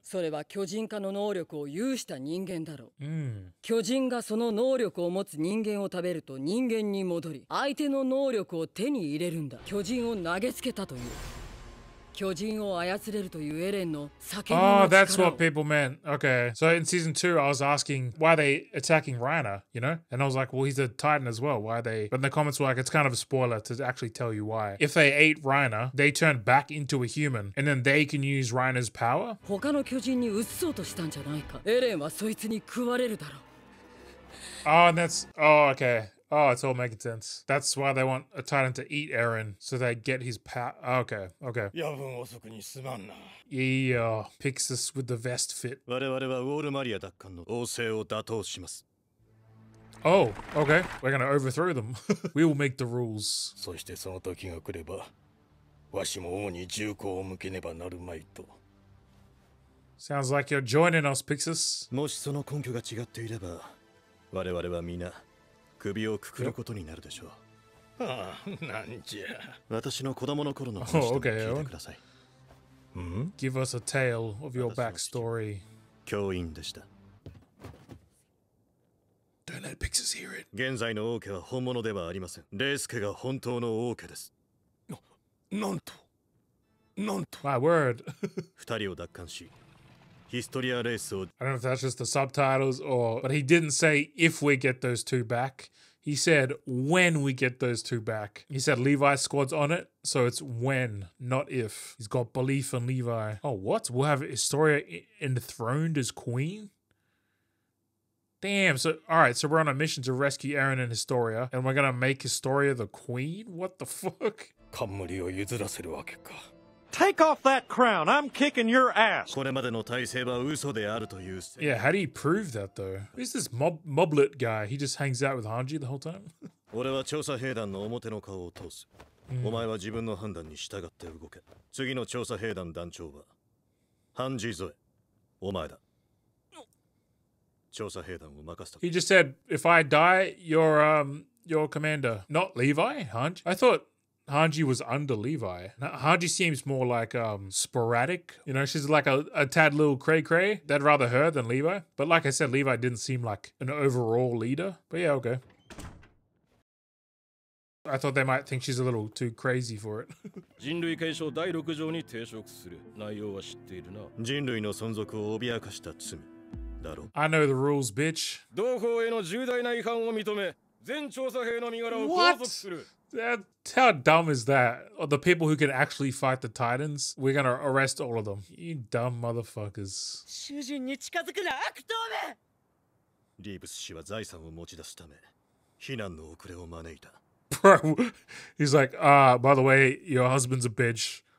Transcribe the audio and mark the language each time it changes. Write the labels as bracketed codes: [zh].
[ja] それは巨人化の能力を有した人間だろう。 Mm. 巨人がその能力を持つ人間を食べると人間に戻り、相手の能力を手に入れるんだ。巨人を投げつけたという。巨人を操れるというエレンの叫びの力を。 [en] Oh, that's what people meant. Okay. So in season 2, I was asking why they attacking Reiner, you know? And I was like, well, he's a Titan as well. Why they... But in the comments were like, it's kind of a spoiler to actually tell you why. If they ate Reiner, they turn back into a human. And then they can use Reiner's power? [ja] 他の巨人に移そうとしたんじゃないか。エレンはそいつに食われるだろう。 [en] Oh, and that's... Oh, okay. Oh, it's all making sense. That's why they want a Titan to eat Eren, so they get his power. Okay, okay. [ja] 夜分遅くにすまんな。 [en] Yeah, Pixis with the vest fit. [ja] 我々はウォールマリア奪還の王政を打倒します。 [en] Oh, okay. We're gonna overthrow them. We will make the rules. [ja] そしてその時が来れば、わしも王に銃口を向けねばなるまいと。 [en] Sounds like you're joining us, Pixis. [ja] もしその根拠が違っていれば、我々は皆、首をくくることになるでしょう。ああ、なんじゃ。私の子供の頃の話を聞いてください。 [en] Give us a tale of your backstory. [ja] 教員でした。 [en] Don't let Pixis hear it. [ja] 現在の王家は本物ではありません。レースケが本当の王家です。なんと。なんと。 [en] My word. [ja] 二人を奪還し、ヒストリアレースを。 [en] I don't know if that's just the subtitles or, but he didn't say if we get those two back. He said when we get those two back. He said Levi squad's on it, so it's when, not if. He's got belief in Levi. Oh, what? We'll have Historia enthroned as queen? Damn. So, all right. So we're on a mission to rescue Eren and Historia, and we're gonna make Historia the queen. What the fuck? [ja] 冠を譲らせるわけか。 [en] Take off that crown! I'm kicking your ass! [ja] これまでの体制は嘘であるという。 [en] Yeah, how do you prove that though? Who's this moblet guy? He just hangs out with Hanji the whole time? [ja] 俺は調査兵団の表の顔を通す。お前は自分の判断に従って動け。次の調査兵団団長は、ハンジゾエ、お前だ。調査兵団を任せた。 [en] He just said, if I die, your commander. Not Levi? Hanji? I thought... Hanji was under Levi. Hanji seems more like sporadic. You know, she's like a tad little cray cray. They'd rather her than Levi. But like I said, Levi didn't seem like an overall leader. But yeah, okay. I thought they might think she's a little too crazy for it. [ja] 人類継承第6条に抵触する内容は知っているな。人類の存続を脅かした罪だろう。 [en] I know the rules, bitch. [ja] 同胞への重大な違反を認め、全調査兵の身柄を拘束する。 [en] What? How dumb is that? The people who can actually fight the Titans, we're gonna arrest all of them. You dumb motherfuckers. [ja] 囚人に近づくな、悪党め。リーブス氏は財産を持ち出すため、避難の遅れを招いた。 [en] Bro, he's like, by the way, your husband's a bitch.